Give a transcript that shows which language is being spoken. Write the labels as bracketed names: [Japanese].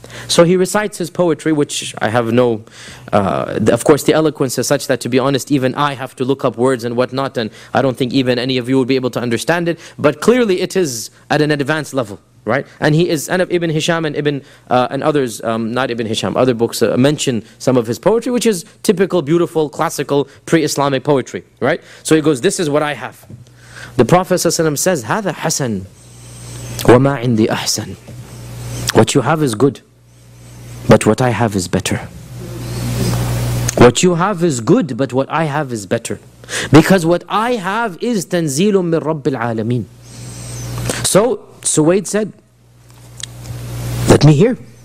[English] So he recites his poetry, which I have no... of course, the eloquence is such that, to be honest, even I have to look up words and whatnot, and I don't think even any of you would be able to understand it. But clearly it is at an advanced level, right? And he is... And Ibn Hisham and other books mention some of his poetry, which is typical, beautiful, classical, pre-Islamic poetry, right? So he goes, this is what I have. The Prophet ﷺ says, [Arabic] هَذَا حَسَنْ وَمَا عِنْدِي أَحْسَنْ. [English] What you have is good, but what I have is better. What you have is good, but what I have is better. Because what I have is [Arabic] تَنْزِيلٌ مِنْ رَبِّ الْعَالَمِينَ. [English] So, Suwayd said, let me hear.